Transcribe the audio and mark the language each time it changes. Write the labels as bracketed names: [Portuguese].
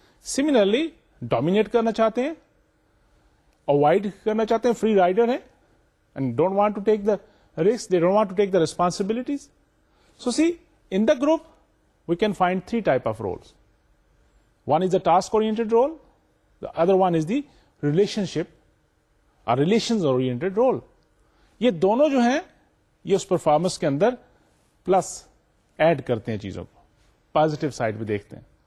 [Urdu] Similarly dominate کرنا چاہتے ہیں, اوائڈ کرنا چاہتے ہیں, فری رائڈر ہیں [English] And don't want to take the risk, they don't want to take the responsibilities. So see in the group we can find three type of roles. One is the task oriented role, the other one is the relationship or relation oriented role. [Urdu] یہ دونوں جو ہیں یہ اس performance کے اندر plus add کرتے ہیں چیزوں کو, پازیٹو سائڈ بھی دیکھتے ہیں.